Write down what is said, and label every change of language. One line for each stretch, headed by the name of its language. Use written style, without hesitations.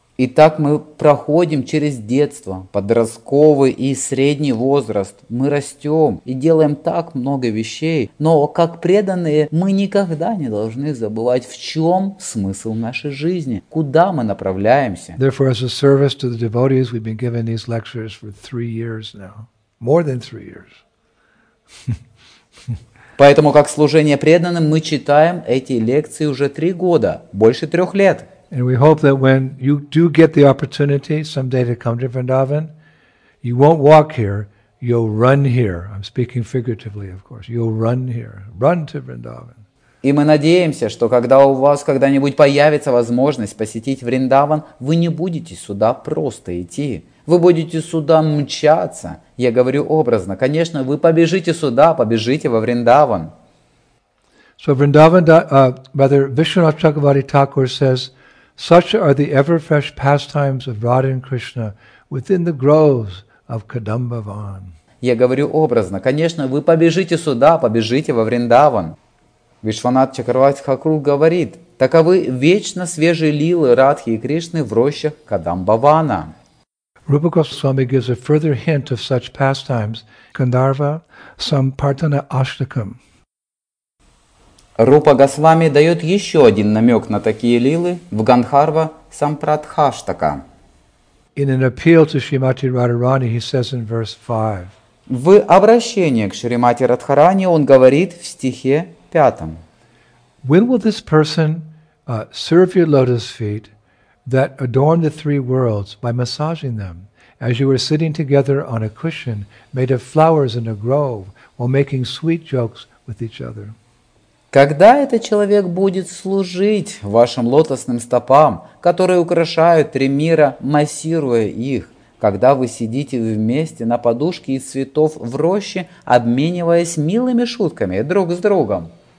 Russian: Итак, мы проходим через детство, подростковый и средний возраст. Мы растем и делаем так много вещей. Но как преданные, мы никогда не должны забывать, в чем смысл нашей жизни, куда мы направляемся.
English: Therefore, as a service to the devotees, we've been given these lectures for 3 years now. More than 3 years.
Russian: Поэтому, как служение преданным, мы читаем эти лекции уже 3 года, больше 3 лет.
English: And we hope that when you do get the opportunity someday to come to Vrindavan, you won't walk here, you'll run here. I'm speaking figuratively, of course. You'll run here. Run to Vrindavan.
Russian: И мы надеемся, что когда у вас когда-нибудь появится возможность посетить Вриндаван, вы не будете сюда просто идти. Вы будете сюда мчаться. Я говорю образно. Конечно, вы побежите сюда, побежите во Вриндаван.
English: So Vrindavan, Vishwanath Chakravarti Thakur says, such are the ever-fresh pastimes of Radha and Krishna within the groves of Kadambavan.
Russian: Я говорю образно. Конечно, вы побежите сюда, побежите во Вриндаван. Вишванат Чакравати Хакур говорит, таковы вечно свежие лилы Радхи и Кришны в рощах Кадамбавана.
English: Rupa Goswami gives a further hint of such pastimes, Gandharva Sampartana Ashtakam.
Russian: Rupa Goswami дает еще один намек на такие лилы в Гандхарва Сампратхаштака.
English: In an appeal to Shrimati Radharani, he says in verse 5,
Russian: в обращении к Шримати Радхарани он говорит в стихе 5.
English: When will this person serve your lotus feet that adorn the three worlds by massaging them, as you were sitting together on a cushion made of flowers in a grove while making sweet jokes with each other?
Russian: Когда этот человек будет служить вашим лотосным стопам, которые украшают три мира, массируя их? Когда вы сидите вместе на подушке из цветов в роще, обмениваясь милыми шутками друг с другом.